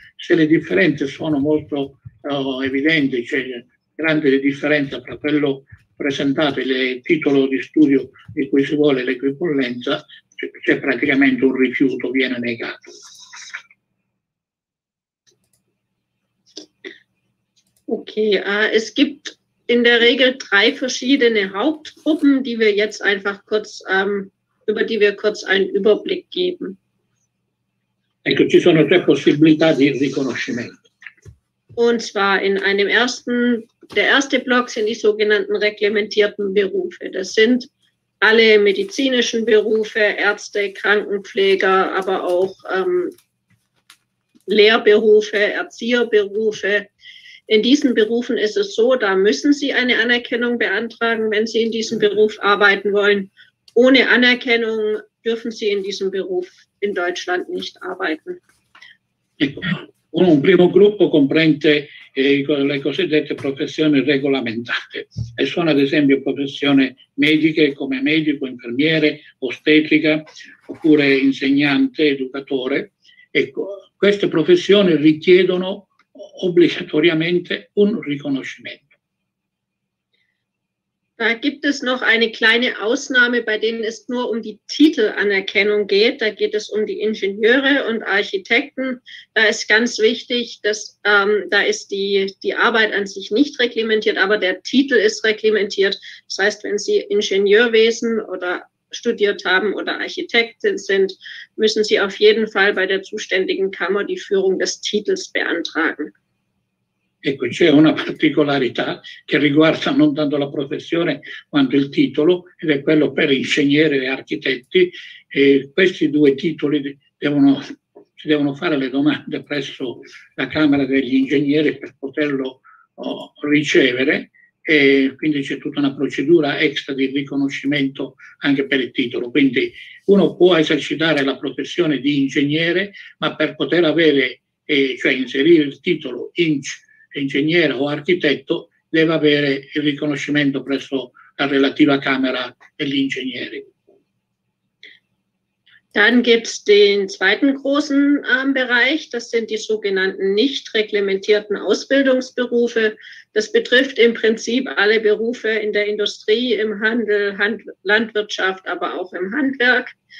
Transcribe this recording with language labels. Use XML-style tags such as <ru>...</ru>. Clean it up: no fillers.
<it>Se le differenze sono molto evidenti, cioè grande differenza tra quello presentato e il titolo di studio di cui si vuole l'equipollenza, c'è praticamente un rifiuto, viene negato.</it> <de>Ok, es gibt in der Regel drei verschiedene Hauptgruppen, die wir jetzt einfach kurz über die wir kurz einen Überblick geben.</de> <it>Ecco, ci sono tre possibilità di riconoscimento.</it> <de>Und zwar in einem ersten, der erste Block sind die sogenannten reglementierten Berufe. Das sind alle medizinischen Berufe, Ärzte, Krankenpfleger, aber auch Lehrberufe, Erzieherberufe. In diesen Berufen ist es so, da müssen Sie eine Anerkennung beantragen, wenn Sie in diesem Beruf arbeiten wollen. Ohne Anerkennung dürfen Sie in diesem Beruf in Deutschland nicht arbeiten.</de> <it>Un primo gruppo comprende le cosiddette professioni regolamentate e sono ad esempio professioni mediche come medico, infermiere, ostetrica oppure insegnante, educatore. Ecco, queste professioni richiedono obbligatoriamente un riconoscimento.</it> <de>Da gibt es noch eine kleine Ausnahme, bei denen es nur um die Titelanerkennung geht. Da geht es um die Ingenieure und Architekten. Da ist ganz wichtig, dass da ist die Arbeit an sich nicht reglementiert, aber der Titel ist reglementiert. Das heißt, wenn Sie Ingenieurwesen oder studiert haben oder Architektin sind, müssen Sie auf jeden Fall bei der zuständigen Kammer die Führung des Titels beantragen.</de> <it>Ecco, c'è una particolarità che riguarda non tanto la professione quanto il titolo, ed è quello per ingegneri e architetti. E questi due titoli si devono fare le domande presso la Camera degli Ingegneri per poterlo ricevere, e quindi c'è tutta una procedura extra di riconoscimento anche per il titolo. Quindi uno può esercitare la professione di ingegnere, ma per poter avere, cioè inserire il titolo ingegnere o architetto deve avere il riconoscimento presso la relativa Camera degli Ingegneri.</it> <de>Dann gibt's den zweiten großen Bereich, das sind die sogenannten nicht reglementierten Ausbildungsberufe. Das betrifft im Prinzip alle Berufe in der Industrie, im Handel, Landwirtschaft, aber auch im Handwerk.</de>